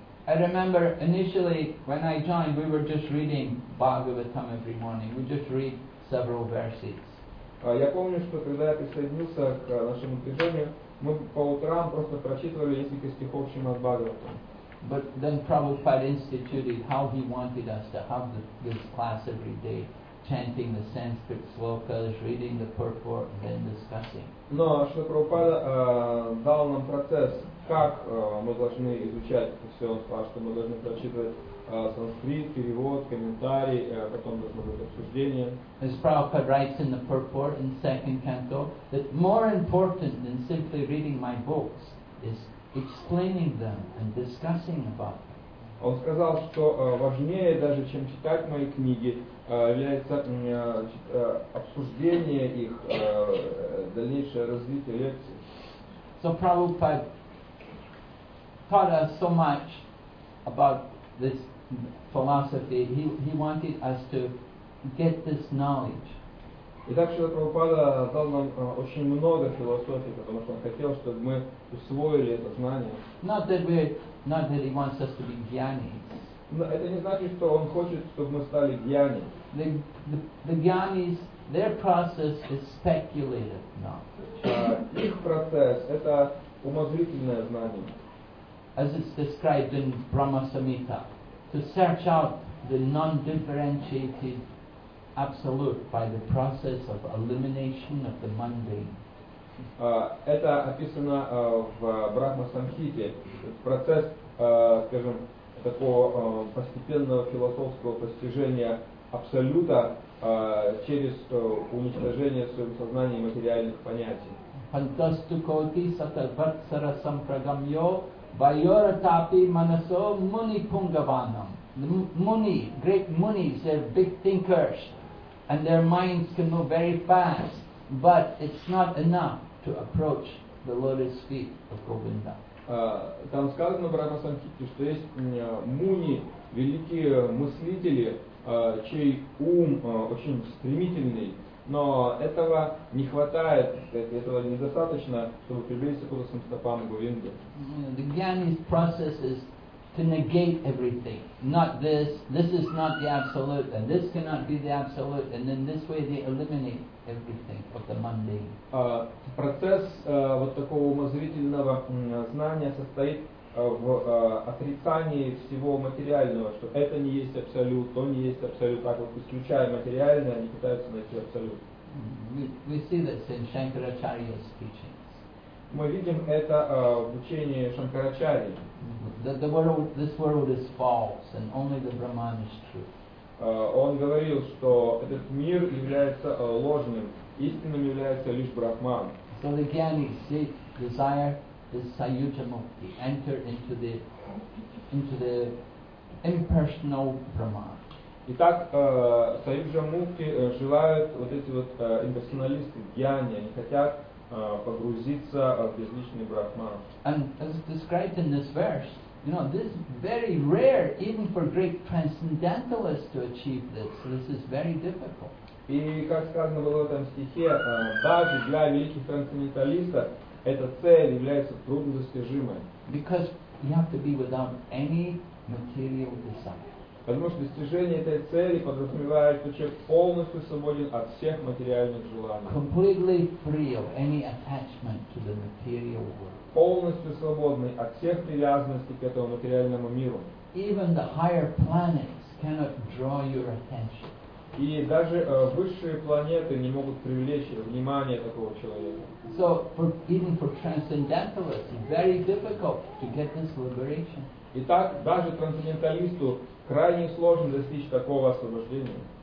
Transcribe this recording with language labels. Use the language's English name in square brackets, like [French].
[English] I remember initially when I joined, we were just reading Bhagavatam every morning. We just read several verses. [Russian] Я помню, что когда я присоединился к нашему движению, мы по утрам просто прочитывали несколько стихов Шримад Бхагаватам. [English] But then Prabhupada instituted how he wanted us to have this class every day, chanting the Sanskrit slokas, reading the purport, and then discussing. [Russian] Но что Прабхупада дал нам процесс, как мы должны изучать все, что мы должны прочитывать. Санскрит, перевод, комментарий, потом должно быть обсуждение. [English] As Prabhupada writes in the purport in second canto, that more important than simply reading my books is explaining them and discussing about them. [Russian] Он сказал, что важнее даже, чем читать мои книги, является обсуждение их, дальнейшее развитие лекции. [English] So Prabhupada taught us so much about this philosophy. He wanted us to get this knowledge. [Russian] И так Шрила Прабхупада дал нам очень много философии, потому что он хотел, чтобы мы усвоили это знание. [English] Not that he wants us to be gyanis. [Russian] Но это не значит, что он хочет, чтобы мы стали гьяни. [English] The gyanis, their process is speculative knowledge. [Russian] Их процесс – это умозрительное знание. [English] As it's described in Brahma Samhita, to search out the non-differentiated absolute by the process of elimination of the mundane. [Russian] Это описано в Брахма Самхите, процесс, скажем, такого постепенного философского постижения абсолюта через уничтожение в своем сознании материальных понятий. [Sanskrit] Пантастукоти сата ватсара сампрагамьо байоратапи манасо муни пунгаванам. [English] Муни, great munis, they're big thinkers. And their minds can move very fast, but it's not enough to approach the lotus feet of Govinda. [Russian] Там сказано в Брахма Самхите, что есть муни, великие мыслители, чей ум очень стремительный, но этого не хватает, этого недостаточно, чтобы приблизиться к лотосным стопам Говинды. [English] The gyanis process is to negate everything. Not this, this is not the absolute, and this cannot be the absolute, and then this way they eliminate everything of the mundane. [Russian] Процесс вот такого умозрительного знания состоит в отрицании всего материального, что это не есть абсолют, то не есть абсолют, так вот исключая материальное, они пытаются найти абсолют. [English] We see this in Shankaracharya's teaching. [Russian] Мы видим это в учении Шанкарачарьи. [English] This world is false, and only the Brahman is true. [Russian] Он говорил, что этот мир является ложным, истинным является лишь Брахман. [English] So the gyanis desire this sayuja mukti, enter into the impersonal Brahman. [Russian] Итак, сайюджа мукти желают вот эти вот имперсоналисты, гьяни, они хотят погрузиться в безличный брахман. [English] And as described in this verse, you know, this is very rare, even for great transcendentalists to achieve this. So this is very difficult. [Russian] И как сказано было в этом стихе, даже для великих трансценденталистов эта цель является труднодостижимой. [English] Because you have to be without any material desire. [Russian] Потому что достижение этой цели подразумевает, что человек полностью свободен от всех материальных желаний. [English] Completely free of any attachment to the material world. [Russian] Полностью свободный от всех привязанностей к этому материальному миру. [English] Even the higher planets cannot draw your attention. [Russian] И даже высшие планеты не могут привлечь внимание такого человека. [English] So, even for transcendentalists, it's very difficult to get this liberation. [Russian] Итак, даже трансценденталисту крайне сложно достичь такого освобождения.